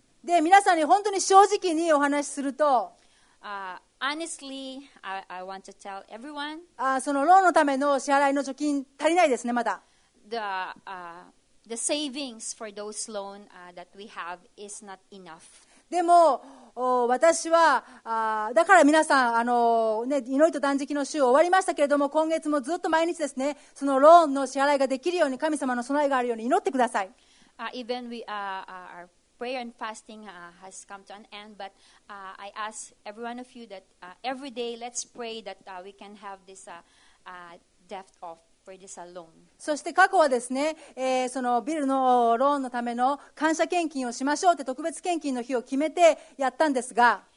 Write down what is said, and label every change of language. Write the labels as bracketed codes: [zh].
[ja] で、皆さんに本当に正直にお話しすると、 [en] Honestly, I want to tell everyone. [ja] そのローンのための支払いの貯金足りないですね、まだ。 [en] the savings for those loan that we have is not enough. [ja] でも私はだから皆さん祈りと断食の週終わりましたけれども今月もずっと毎日ですねそのローンの支払いができるように神様の備えがあるように祈ってください。 [en] Even we our prayer and fasting has come to an end, but I ask every one of you that every day let's pray that we can have this depth of for this loan. [ja] そして過去はですね、そのビルのローンのための感謝献金をしましょうって特別献金の日を決めてやったんですが、